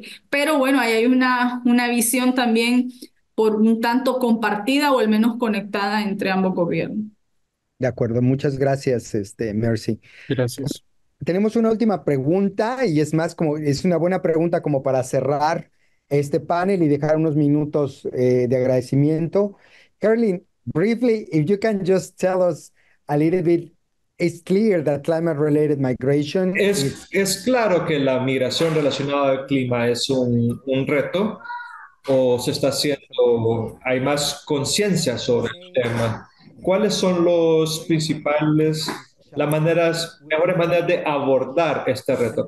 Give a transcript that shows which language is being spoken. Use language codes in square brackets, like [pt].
[es] Pero bueno, ahí hay una visión también por un tanto compartida o al menos conectada entre ambos gobiernos. De acuerdo, muchas gracias, Mercy. Gracias. Tenemos una última pregunta y es más como, es una buena pregunta como para cerrar este panel y dejar unos minutos de agradecimiento. [en] Carolyn, briefly, if you can just tell us a little bit, it's clear that climate-related migration... [es] Es claro que la migración relacionada al clima es un reto o se está haciendo, hay más conciencia sobre el tema. ¿Cuáles son los principales, las maneras, mejores maneras de abordar este reto?